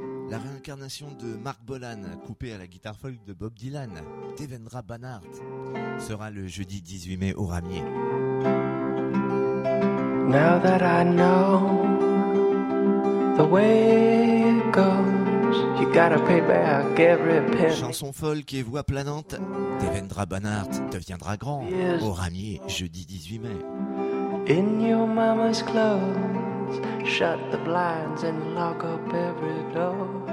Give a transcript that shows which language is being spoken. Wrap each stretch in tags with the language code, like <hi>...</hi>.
<fr>La réincarnation de Mark Bolan, coupée à la guitare folk de Bob Dylan, Devendra Banhart, sera le jeudi 18 mai au Ramier.</fr> <en>Now that I know the way it goes, you gotta pay back every penny.</en> <fr>Chanson folk et voix planante, Devendra Banhart deviendra grand au Ramier jeudi 18 mai.</fr> <en>In your mama's clothes, shut the blinds and lock up every door.</en>